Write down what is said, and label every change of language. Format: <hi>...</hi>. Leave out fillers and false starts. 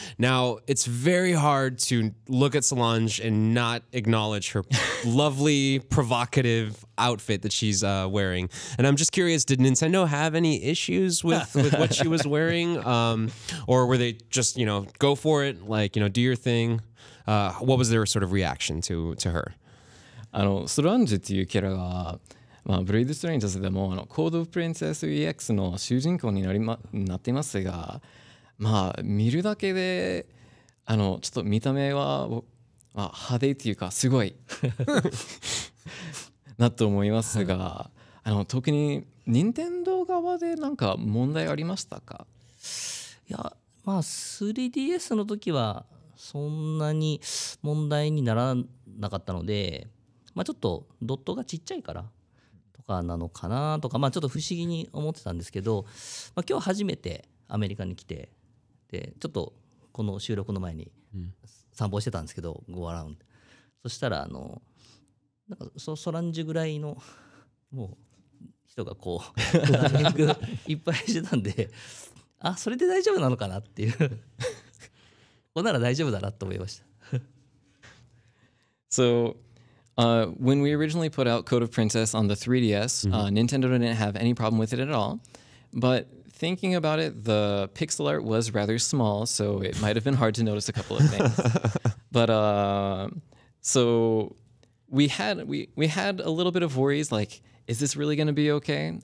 <en>Now, it's very hard to look at Solange and not acknowledge her lovely, provocative outfit that she's wearing. And I'm just curious, did Nintendo have any issues with what she was wearing? Or were they just, you know, go for it, like, you know, do your thing? What was their sort of reaction to her?</en> <ja>ストランジュっていうキャラが、まあ、ブレイドストレンジャーズでもコードオブプリンセス EX の主人公に なっていますが、まあ、見るだけでちょっと見た目は、まあ、派手っていうかすごいなと思いますが特に任天堂側で何か問題ありましたか？いや、まあ、3DS の時はそんなに問題にならなかったのでまあ、ちょっとドットがちっちゃいからとかなのかなとか、まあ、ちょっと不思議に思ってたんですけど、まあ、今日初めてアメリカに来てでちょっとこの収録の前に散歩してたんですけど、うん、</ja> <en>Go around</en> <ja>そしたらなんかソランジュぐらいのもう人がこうランニングいっぱいしてたんであそれで大丈夫なのかなっていうここなら大丈夫だなと思いました</ja> <en>So when we originally put out Code of Princess on the 3DS, mm-hmm. Nintendo didn't have any problem with it at all. But thinking about it, the pixel art was rather small, so it might have been hard to notice a couple of things. But so we had a little bit of worries, like, is this really going to be okay?</en>